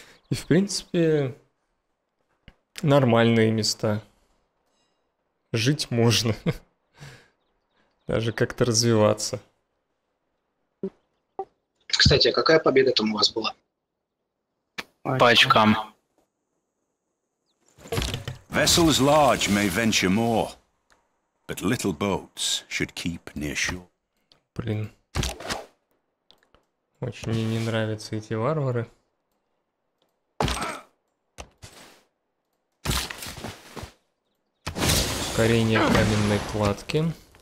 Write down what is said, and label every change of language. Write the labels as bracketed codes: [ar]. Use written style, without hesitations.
[ru] И, в принципе, нормальные места. Жить можно. Даже как-то развиваться. Кстати, а какая победа там у вас была? По очкам. [en] Vessels large may venture more, but little boats should keep near shore. [ru] Блин. Очень мне не нравятся эти варвары. Ускорение каменной кладки.